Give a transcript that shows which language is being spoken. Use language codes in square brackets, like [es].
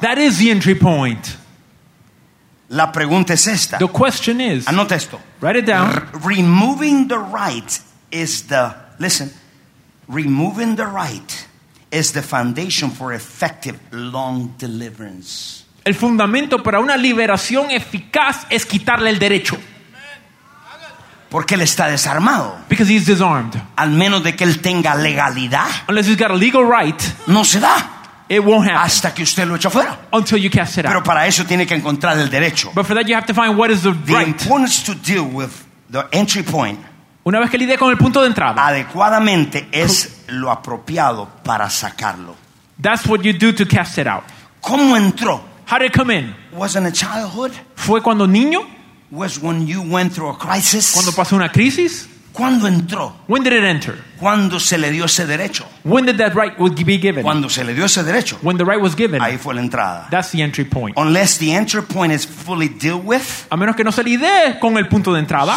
[en] That is the entry point. [es] La pregunta es esta. [en] The question is. [es] Anota esto. [en] Write it down. Removing the right is the, listen, removing the right is the foundation for effective long deliverance. [es] El fundamento para una liberación eficaz es quitarle el derecho. Porque él está desarmado. [en] Because he's disarmed. [es] Al menos de que él tenga legalidad. [en] Unless he's got a legal right. [es] No se da. [en] It won't happen. [es] Hasta que usted lo eche fuera. [en] Until you cast it out. [es] Pero para eso tiene que encontrar el derecho. [en] But for that you have to find what is the right. The importance to deal with the entry point. [es] Una vez que lidie con el punto de entrada. Adecuadamente es lo apropiado para sacarlo. [en] That's what you do to cast it out. [es] ¿Cómo entró? [en] How did it come in? Was in a childhood? [es] Fue cuando niño? [en] Was when you went through a crisis? [es] Cuando pasó una crisis? ¿Cuándo entró? [en] When did it enter? [es] ¿Cuándo se le dio ese derecho? [en] When did that right be given? [es] ¿Cuándo se le dio ese derecho? [en] When the right was given. [es] Ahí fue la entrada. [en] That's the entry point. Unless the entry point is fully dealt with. [es] A menos que no se lidie con el punto de entrada.